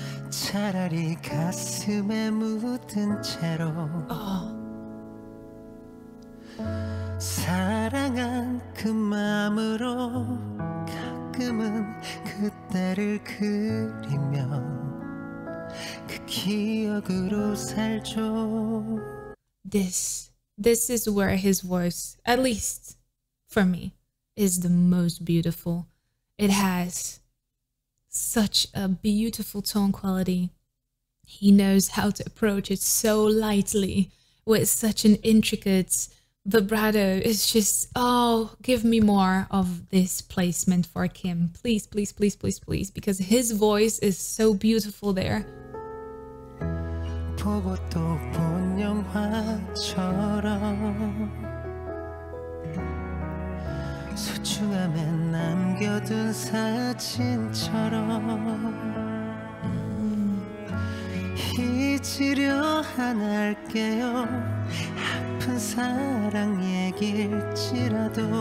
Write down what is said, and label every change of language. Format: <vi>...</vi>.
<ko>차라리 가슴에 묻은 채로 사랑한 그 마음으로 가끔은 그때를 그리면 그 기억으로 살죠.</ko> <en>This is where his voice, at least for me, is the most beautiful. It has such a beautiful tone quality. He knows how to approach it so lightly with such an intricate vibrato. It's just, oh, give me more of this placement for Kim. Please, please, please, please, please, because his voice is so beautiful there.</en> <ko>보고 또 본 영화처럼 소중함에 남겨둔 사진처럼 잊으려 안 할게요 아픈 사랑 얘길지라도</ko>